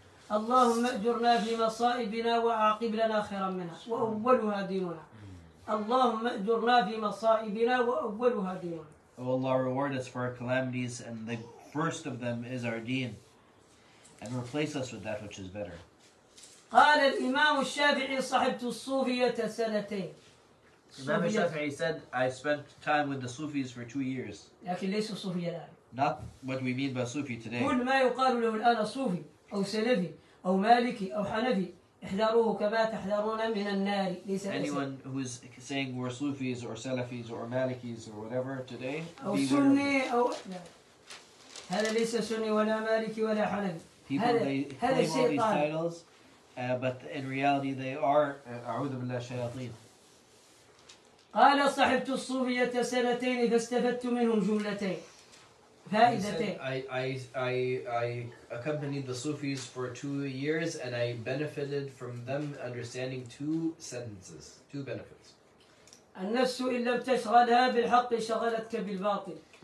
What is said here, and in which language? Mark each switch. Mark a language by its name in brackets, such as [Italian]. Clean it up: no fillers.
[Arabic] اللهم أجرنا في مصائبنا وعاقب لنا خيرا منها وأولها ديننا. اللهم أجرنا في مصائبنا وأولها ديننا. [English] Oh Allah, reward us for our calamities, and the first of them is our deen, and replace us with that which is better. [Arabic] قال الإمام الشافعي صحبت الصوفية سنتين. [English] Imam Shafi'i said, I spent time with the Sufis for 2 years. [Arabic] لكن ليس صوفيا الآن. [English] Not what we mean by Sufi today. [Arabic] كل ما يقال له الآن صوفي. أو سلفي أو مالكي أو حنفي احذروه كما تحذرون من النار. ليس [English] anyone who is saying we're Sufis or Salafis or Malikis or whatever today. [Arabic] أو سني أو هذا ليس سني ولا مالكي ولا حنفي. [English] People they claim all these titles, but in reality they are [Arabic] أعوذ بالله شياطين. قال صحبت الصوفية سنتين فاستفدت منهم جملتين فائدتين. [English] I accompanied the Sufis for 2 years and I benefited from them understanding two benefits. [Arabic] النفس إن لم تشغلها بالحق شغلتك بالباطل.